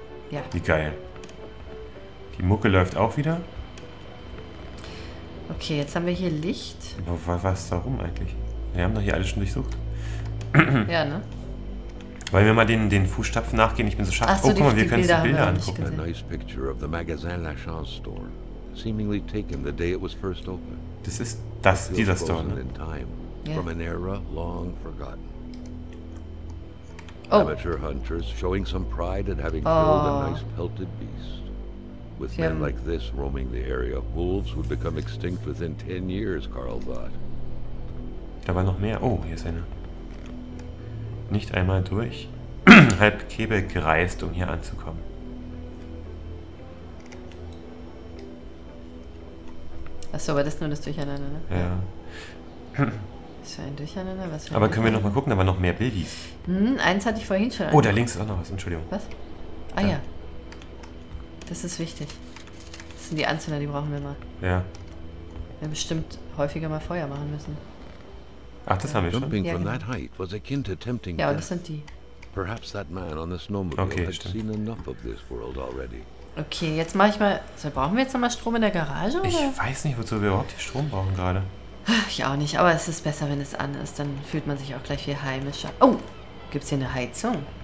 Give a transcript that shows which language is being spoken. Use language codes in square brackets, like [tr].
[de] Ja. Wie geil. Die Mucke läuft auch wieder. Okay, jetzt haben wir hier Licht. Aber was darum eigentlich? Wir haben doch hier alles schon durchsucht. Ja, ne? Wollen wir mal den Fußstapfen nachgehen? Ich bin so scharf. Ach so, oh, guck mal, wir können die Bilder angucken. [en] A nice picture of the Magasin La Chance store, seemingly taken the day it was first opened. [de] Das ist das, dieser Store, ne? [en] In time, from an era long forgotten. Oh. Amateur hunters showing some pride at having killed a nice pelted beast. With men like this roaming the area, wolves would become extinct within 10 years, Carl thought. [de] Da war noch mehr. Oh, hier ist eine. Nicht einmal durch. Halb Kebel gereist, um hier anzukommen. Achso, aber das ist nur das Durcheinander, ne? Ja. Das war ein Durcheinander, was Aber können wir nochmal gucken, da waren noch mehr Bildis. Hm, eins hatte ich vorhin schon angeguckt. Oh, da links ist auch noch was, Entschuldigung. Was? Ah ja. Das ist wichtig. Das sind die Anzünder, die brauchen wir mal. Ja. Wir haben bestimmt häufiger mal Feuer machen müssen. Ach, das haben wir schon. [en] Jumping from that height was akin to tempting [de] death. Ja, das sind die. [en] Perhaps that man on the snowmobile had seen enough of this world already. [de] Okay, jetzt mache ich mal. So, brauchen wir jetzt nochmal Strom in der Garage? Oder? Ich weiß nicht, wozu wir überhaupt hier Strom brauchen gerade. Ich auch nicht, aber es ist besser, wenn es an ist. Dann fühlt man sich auch gleich viel heimischer. Oh, gibt's hier eine Heizung?